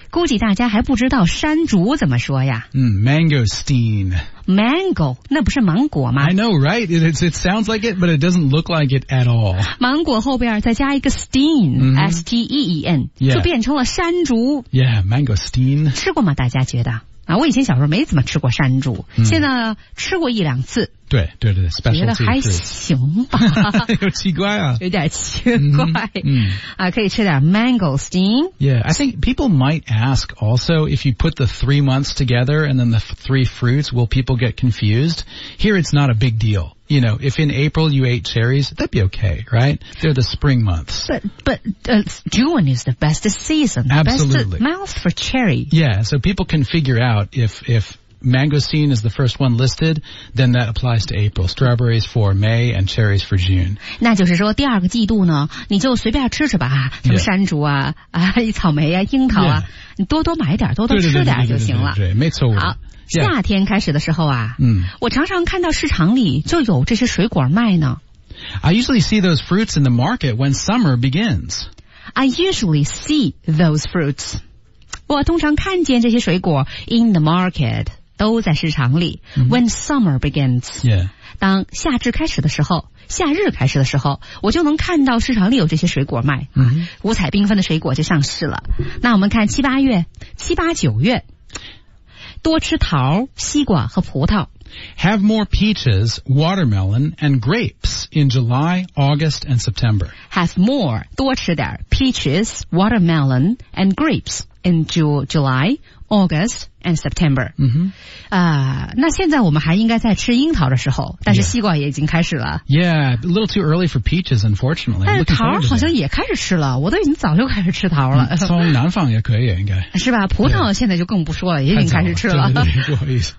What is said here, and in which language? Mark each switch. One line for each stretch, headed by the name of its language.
Chinese: 估计大家还不知道山竹怎么说呀、
English: Mangosteen
Chinese: Mango 那不是芒果吗
English: I know right it sounds like it but it doesn't look like it at all
Chinese: 芒果后边再加一个 steen、S-T-E-E-N、
English: yeah.
Chinese: 就变成了山竹
English: Yeah mangosteen
Chinese: 吃过吗大家觉得啊，我以前小时候没怎么吃过山竹、现在吃过一两次对对对 specialty 觉得还行吧有奇怪啊有点奇怪、啊，可以吃点 mangosteen
English: Yeah I think people might ask also if you put the 3 months together and then the 3 fruits will people get confused here it's not a big deal you know if in April you ate cherries that'd be okay right they're the spring months June is the best season absolutely the best mouth for cherry yeah so people can figure out ifMangosteen is the first one listed, then that applies to April. Strawberries for May and cherries for June.
Chinese: 那就是说第二个季度呢你就随便吃吃吧什么山竹啊、草莓啊樱桃啊、你多多买点多多吃点就行了。对没错。好、夏天开始的时候啊我常常看到市场里就有这些水果卖呢。
English: I usually see those fruits in the market when summer begins. I usually see those fruits.
Chinese: 我通常看见这些水果
English: in the market,
Chinese: 都在市场里、
English: mm-hmm. when summer begins. Yeah.
Chinese: 当夏至开始的时候夏日开始的时候我就能看到市场里有这些水果卖、
English: mm-hmm.
Chinese: 五彩缤纷的水果就上市了。那我们看七八月七八九月多吃桃西瓜和葡萄。
English: Have more peaches, watermelon, and grapes in July, August, and September. Have more,
Chinese: 多吃点
English: peaches, watermelon, and grapes in July, August, and September.
Chinese: 那现在我们还应该在吃樱桃的时候但是西瓜也已经开始了。
English: Yeah, a little too early for peaches, unfortunately.
Chinese: 但是桃好像也开始吃了我都已经早就开始吃桃了。从南方也可以应该。是吧葡萄现在就更不说了、
English: yeah.
Chinese: 也已经开始吃了。对对对不好意思。